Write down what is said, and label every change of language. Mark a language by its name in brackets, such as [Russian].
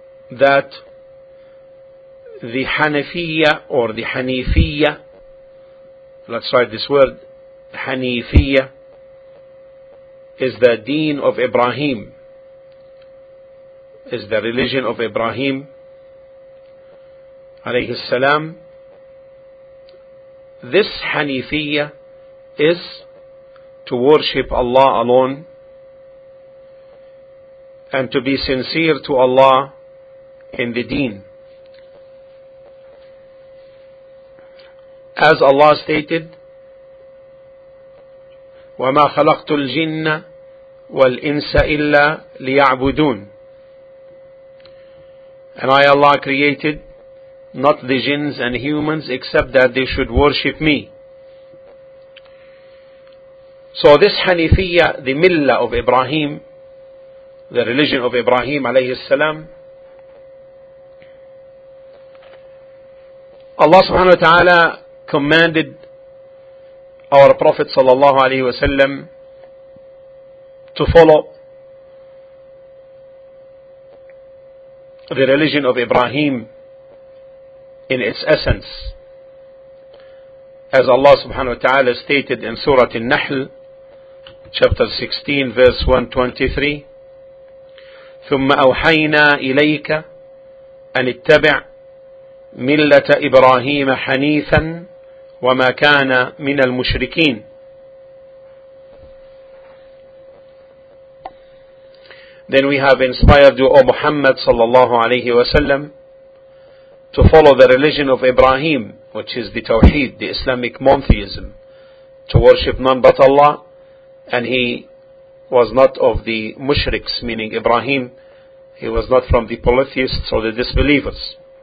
[English] that the Hanafiyya or the Hanifiyya, let's write this word, Hanifiyya, is the deen of Ibrahim, is the religion of Ibrahim alayhi salam. This Hanifiyya is to worship Allah alone and to be sincere to Allah in the deen. As Allah stated, [Arabic] وَمَا خَلَقْتُ الْجِنَّ وَالْإِنسَ إِلَّا لِيَعْبُدُونَ. [English] And I, Allah, created not the jinns and humans except that they should worship me. So this Hanifiyya, the Milla of Ibrahim, the religion of Ibrahim alayhi salam, Allah subhanahu wa ta'ala commanded our Prophet sallallahu alayhi wa sallam to follow the religion of Ibrahim in its essence. As Allah subhanahu wa ta'ala stated in Surah An-Nahl, chapter 16, verse 123, [Arabic] ثُمَّ أَوْحَيْنَا إِلَيْكَ أَنْ اتَّبِعْ ملة إبراهيم حنيفا وما كان من المشركين. [English] Then we have inspired you, O Muhammad sallallahu alayhi wa sallam, to follow the religion of Ibrahim, which is the Tawheed, the Islamic monotheism, to worship none but Allah, and he was not of the mushriks, meaning Ibrahim, he was not from the polytheists or the disbelievers.